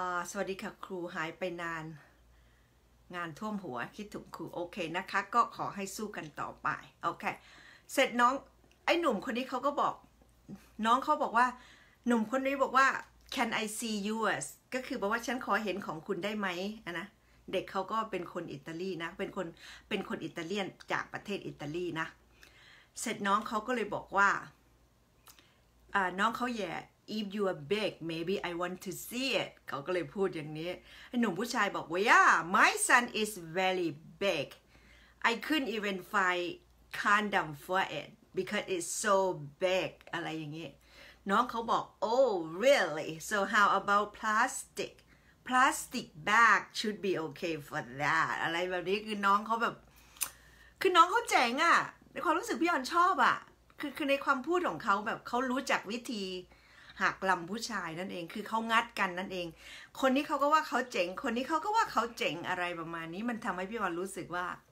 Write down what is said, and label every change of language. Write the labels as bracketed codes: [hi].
[th] สวัสดีค่ะครูหายไปนานงานท่วมหัวคิดถึงครูโอเคนะคะก็ขอให้สู้กันต่อไปโอเคเสร็จน้องไอ้หนุ่มคนนี้เขาก็บอกน้องเขาบอกว่าหนุ่มคนนี้บอกว่า [en] can I see yours [th] ก็คือบอกว่าฉันขอเห็นของคุณได้ไหมนะเด็กเขาก็เป็นคนอิตาลีนะเป็นคนอิตาเลียนจากประเทศอิตาลีนะเสร็จน้องเขาก็เลยบอกว่าน้องเขาแย่ [en] If you are big, maybe I want to see it. [th] เขาก็เลยพูดอย่างนี้หนุ่มผู้ชายบอกว่า [en] Yeah, my son is very big. I couldn't even find condom for it because it's so big. [th] อะไรอย่างนี้น้องเขาบอก [en] Oh, really? So how about plastic? Plastic bag should be okay for that. [th] อะไรแบบนี้คือน้องเขาแบบคือน้องเขาเจ๋งอ่ะในความรู้สึกพี่ออนชอบอ่ะคือในความพูดของเขาแบบเขารู้จักวิธีหักลำผู้ชายนั่นเองคือเขางัดกันนั่นเองคนนี้เขาก็ว่าเขาเจ๋งคนนี้เขาก็ว่าเขาเจ๋งอะไรประมาณนี้มันทำให้พี่ออนรู้สึกว่า